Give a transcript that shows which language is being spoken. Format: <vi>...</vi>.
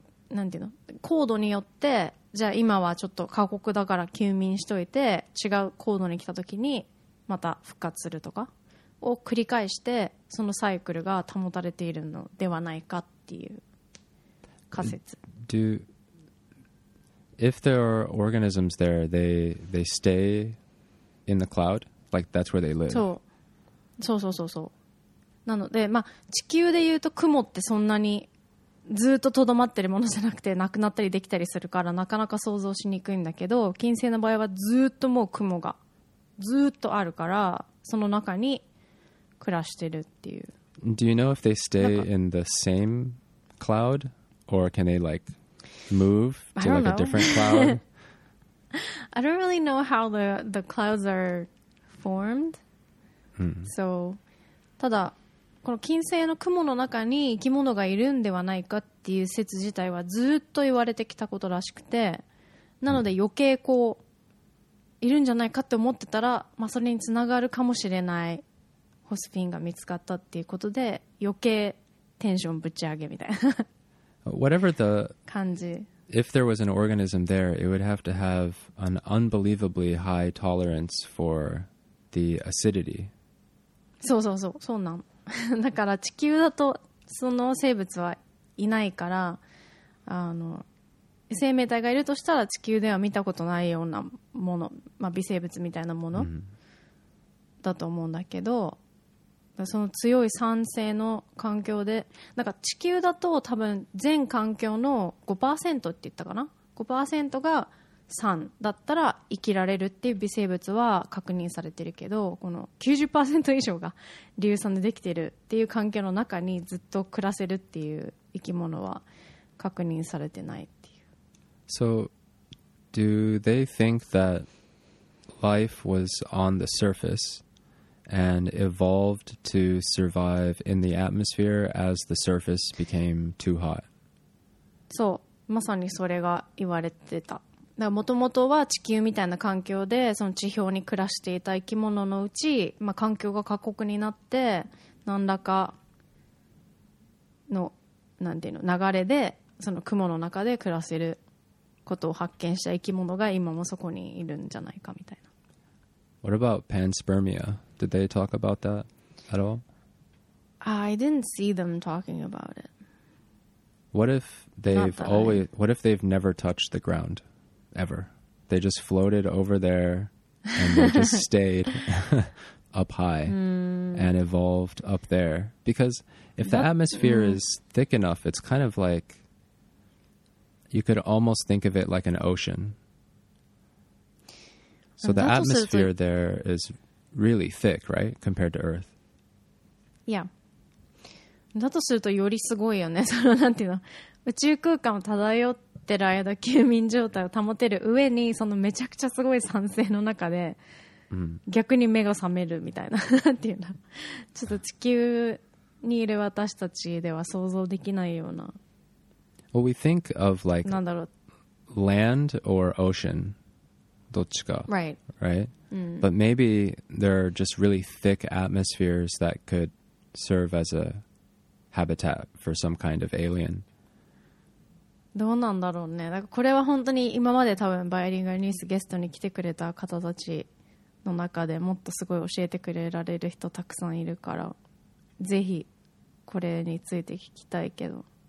<ja>なんていうの、高度によってじゃあ今はちょっと過酷だから休眠しといて違う高度に来た時にまた復活するとかを繰り返してそのサイクルが保たれているのではないかっていう仮説。</ja> <en>Do, if there are organisms there, they stay in the cloud? Like that's where they live?</en> <ja>そう、そうそうそうそう。なので、まあ、地球でいうと雲ってそんなにずっととどまってるものじゃなくてなくなったりできたりするからなかなか想像しにくいんだけど、金星の場合はずっともう雲がずっとあるからその中に暮らしてるっていう。</ja> <en>Do you know if they stay in the same cloud or can they like move to like a different cloud? I don't really know how the clouds are formed.</en> <ja>So, ただこの金星の雲の中に生き物がいるんではないかっていう説自体はずっと言われてきたことらしくて、なので余計こういるんじゃないかって思ってたら、まあ、それにつながるかもしれないホスフィンが見つかったっていうことで余計テンションぶち上げみたいな</ja> <en>Whatever the</en> <ja>感じ。</ja> <en>If there was an organism there, it would have to have an unbelievably high tolerance for the acidity.</en> <ja>そうそうそう、そうなんだから地球だとその生物はいないから、あの生命体がいるとしたら地球では見たことないようなもの、まあ、微生物みたいなものだと思うんだけど、その強い酸性の環境で、なんか地球だと多分全環境の 5% って言ったかな、 5% が酸だったら生きられるっていう微生物は確認されてるけど、この 90% 以上が硫酸でできてるっていう環境の中にずっと暮らせるっていう生き物は確認されてないっていう。</ja> <en>So do they think that life was on the surface and evolved to survive in the atmosphere as the surface became too hot?</en> <ja>そう、まさにそれが言われてた。もともとは地球みたいな環境でその地表に暮らしていた生き物のうち、まあ、環境が過酷になって何らかの、なんていうの、流れでその雲の中で暮らせることを発見した生き物が今もそこにいるんじゃないかみたいな。</ja> <en>What about panspermia? Did they talk about that at all? I didn't see them talking about it. What if they've never touched the ground? Ever. They just floated over there and they just stayed up high and evolved up there. Because if the atmosphere is thick enough, it's kind of like you could almost think of it like an ocean. So the atmosphere there is really thick, right? Compared to Earth. Yeah.</en> <ja>だとするとよりすごいよね。そのなんていうの、宇宙空間を漂って。てる間休眠状態を保てる上にそのめちゃくちゃすごい酸性の中で逆に目が覚めるみたいな、なんていうの、ちょっと地球にいる私たちでは想像できないような。</ja> <en>Well, we think of like</en> <ja>なんだろう、 land or ocean、 どっちか、</ja> <en>right, right?、うん、but maybe there are just really thick atmospheres that could serve as a habitat for some kind of alien。</en> <ja>どうなんだろうね。だからこれは本当に今まで多分バイリンガルニュースゲストに来てくれた方たちの中でもっとすごい教えてくれられる人たくさんいるから、ぜひこれについて聞きたいけど、</ja>